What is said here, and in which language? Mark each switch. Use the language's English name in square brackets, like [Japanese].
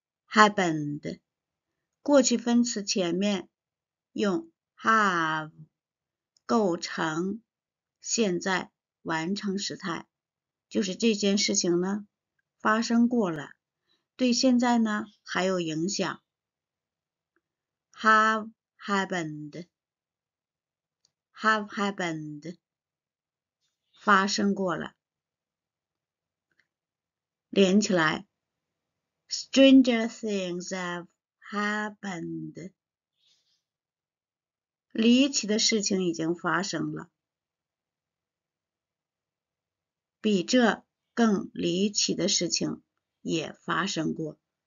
[Chinese] happened 过去分词前面用 have 构成现在完成时态，就是这件事情呢发生过了，对现在呢还有影响。 [English] Have happened, have happened, [Chinese] 发生过了。连起来 , [English] Stranger things have happened, [Chinese] 离奇的事情已经发生了。比这更离奇的事情也发生过。